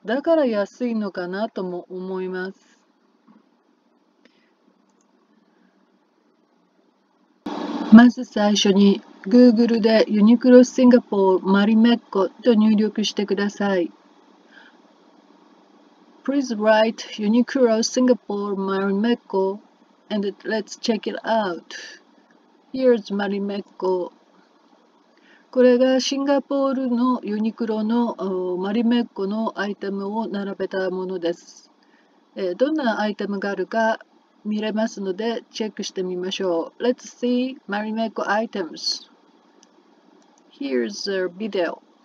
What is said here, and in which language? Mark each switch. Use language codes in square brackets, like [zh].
[ja] だから安いのかなとも思います。まず最初に Google でユニクロシンガポールマリメッコと入力してください。 [en] Please write Uniqlo Singapore Marimekko and let's check it out. Here's Marimekko. [ja] これがシンガポールのユニクロのマリメッコのアイテムを並べたものです。どんなアイテムがあるか見れますのでチェックしてみましょう。 [en] Let's see Marimekko items. Here's a video.